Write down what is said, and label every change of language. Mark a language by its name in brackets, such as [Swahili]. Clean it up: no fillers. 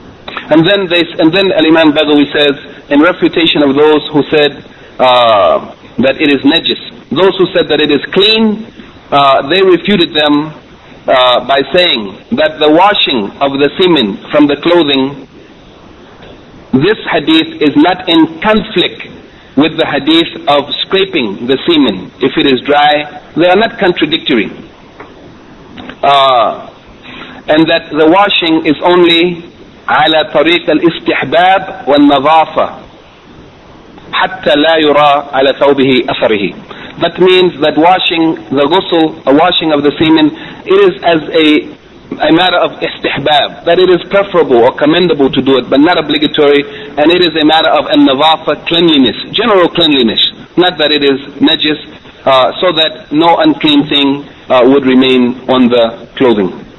[English] And then Al-Imam Baghawi says, in refutation of those who said that it is najis, those who said that it is clean, they refuted them by saying that the washing of the semen from the clothing, this hadith is not in conflict with the hadith of scraping the semen if it is dry. They are not contradictory. And that the washing is only [Arabic] على طريق الاستحباب والنظافة حتى لا يرى على ثوبه أثره. [English] That means that washing the ghusl, a washing of the semen, it is as a matter of istihbab, that it is preferable or commendable to do it, but not obligatory, and it is a matter of an-navafa, cleanliness, general cleanliness, not that it is najis, so that no unclean thing would remain on the clothing.